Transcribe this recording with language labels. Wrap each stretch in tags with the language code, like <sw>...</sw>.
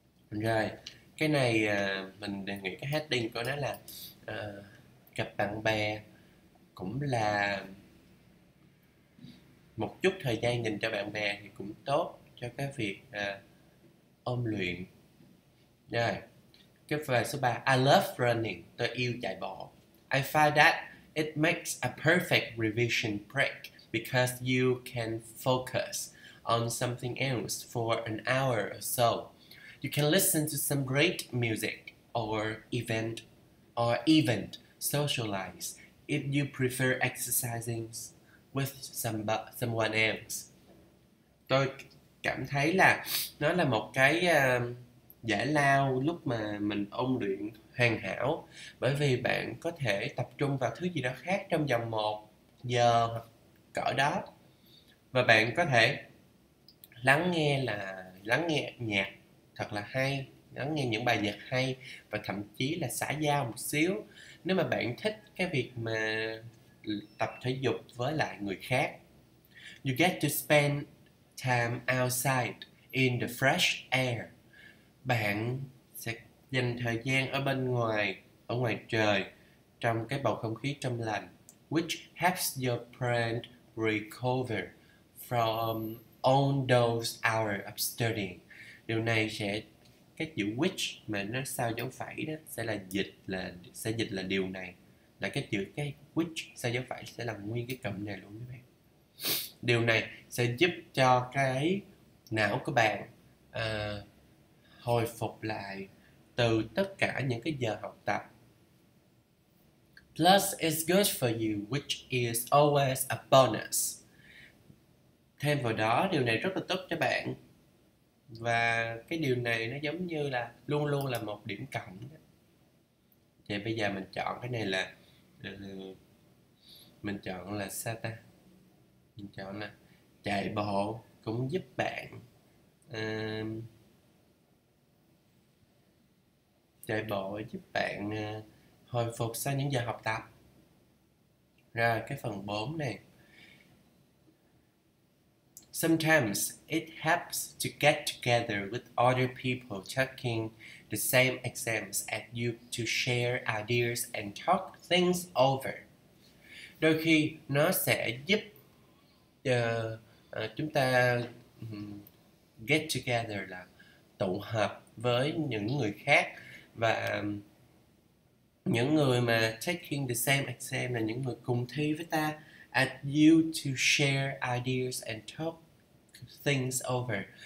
<vi>Rồi cái này mình đề nghị cái heading của nó là gặp bạn bè cũng là một chút thời gian dành cho bạn bè thì cũng tốt cho cái việc ôn luyện. Rồi cái bài số 3,</vi> <en>I love running,</en> <vi>tôi yêu chạy bộ.</vi> <en>I find that it makes a perfect revision break because you can focus on something else for an hour or so. You can listen to some great music or even socialize if you prefer exercising with someone else.</en> <vi>Tôi cảm thấy là nó là một cái giải lao lúc mà mình ôn luyện hoàn hảo, bởi vì bạn có thể tập trung vào thứ gì đó khác trong vòng 1 giờ hoặc cỡ đó, và bạn có thể lắng nghe nhạc thật là hay, lắng nghe những bài nhạc hay và thậm chí là xã giao một xíu nếu mà bạn thích cái việc mà tập thể dục với lại người khác.</vi> <en>You get to spend time outside in the fresh air.</en> <vi>Bạn sẽ dành thời gian ở bên ngoài, ở ngoài trời, trong cái bầu không khí trong lành,</vi> <en>which helps your brain recover from all those hours of studying.</en> <vi>Điều này sẽ cái chữ which mà nó sao dấu phẩy đó sẽ là dịch, là sẽ dịch là điều này, là cái chữ cái which sao dấu phẩy sẽ làm nguyên cái cụm này luôn các bạn. Điều này sẽ giúp cho cái não của bạn hồi phục lại từ tất cả những cái giờ học tập.</vi> <en>Plus, it's good for you, which is always a bonus.</en> <vi>Thêm vào đó, điều này rất là tốt cho bạn. Và cái điều này nó giống như là luôn luôn là một điểm cộng. Thì bây giờ mình chọn cái này là mình chọn là sao ta? Mình chọn là chạy bộ cũng giúp bạn chạy bộ giúp bạn hồi phục sau những giờ học tập. Rồi cái phần 4 này.</vi> <en>Sometimes it helps to get together with other people taking the same exams as you to share ideas and talk things over.</en> <vi>Đôi khi nó sẽ giúp chúng ta</vi> <en>get together,</en> <vi>là tụ hợp với những người khác, và những người mà</vi> <en>taking the same exam</en> <vi>là những người cùng thi với ta,</vi> <en>at you to share ideas and talk things over.</en>